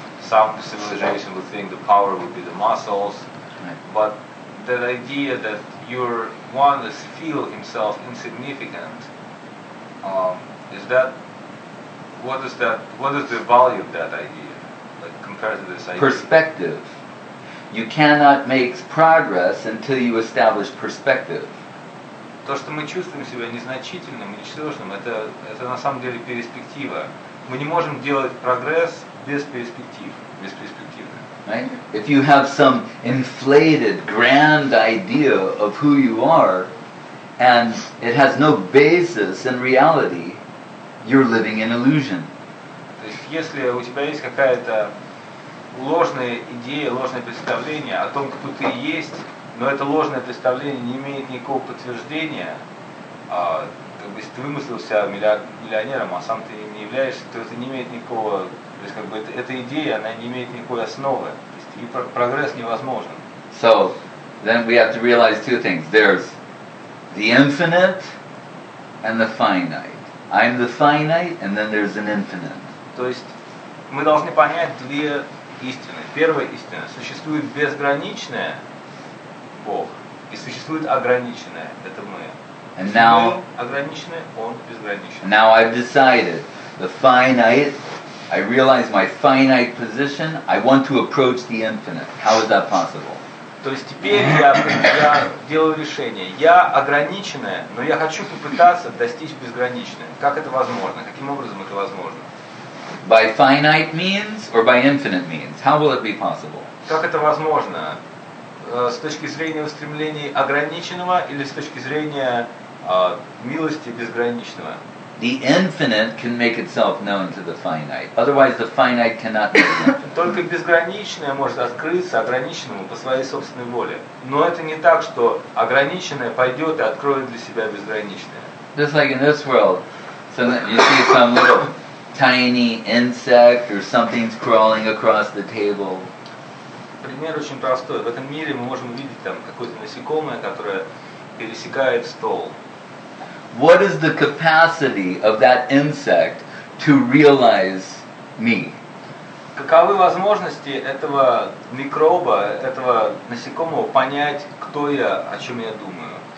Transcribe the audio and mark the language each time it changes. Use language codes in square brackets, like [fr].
[en] Some civilization would think the power would be the muscles. But that idea that you're one that feel himself insignificant. Is that what is that? What is the value of that idea, like compared to this idea? Perspective. You cannot make progress until you establish perspective. [ru] То, что мы чувствуем себя незначительным, ничтожным, это на самом деле перспектива. Мы не можем делать прогресс без перспектив, без перспективы. [en] Right? If you have some inflated, grand idea of who you are, and it has no basis in reality. You're living in illusion. [ru] То есть, если у тебя есть какая-то ложная идея, ложное представление о том, кто ты есть, но это ложное представление не имеет никакого подтверждения, как бы, если ты вымыслил себя миллионером, а сам ты им не являешься, то это не имеет никакого, то есть, как бы, эта идея, она не имеет никакой основы. То есть, и прогресс невозможен. [en] So, then we have to realize two things. There's the infinite and the finite. I'm the finite, and then there's an infinite. [ru] То есть мы должны понять две истины. Первая истина – существует безграничное Бог, и существует ограниченное – это мы. [en] And now, [ru] ограниченное, он безграничный. [en] Now I've decided the finite. I realize my finite position. I want to approach the infinite. How is that possible? [ru] То есть теперь я делаю решение. Я ограниченное, но я хочу попытаться достичь безграничное. Как это возможно? Каким образом это возможно? By finite means or by infinite means? How will it be possible? Как это возможно? С точки зрения устремлений ограниченного или с точки зрения милости безграничного? [en] The infinite can make itself known to the finite. Otherwise, the finite cannot make infinite. [ru] Только безграничное может открыться ограниченному по своей собственной воле. Но это не так, что ограниченное пойдет и откроет для себя безграничное. [en] Just like in this world, so you see some little tiny insect or something's crawling across the table. [ru] Пример очень простой. В этом мире мы можем увидеть там какое-то насекомое, которое пересекает стол. [en] What is the capacity of that insect to realize me? [ru] Каковы возможности этого микроба, этого насекомого понять, кто я, о чем я думаю?